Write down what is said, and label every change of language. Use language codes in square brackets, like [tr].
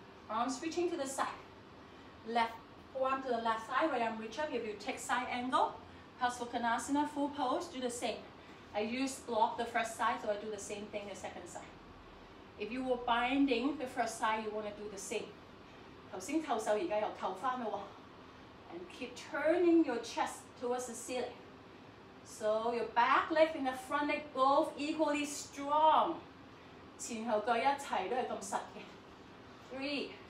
[en] Arms reaching to the side. Left forearm to the left side, right arm reach up. If you take side angle, Hastakonasana, full pose, do the same. I use block the first side, so I do the same thing the second side. If you were binding the first side, you want to do the same. [yue] 剛才扣手，現在又扣翻喎。 [en] And keep turning your chest towards the ceiling. So your back leg and the front leg both equally strong. [yue] 前後腳一齊都係咁實嘅。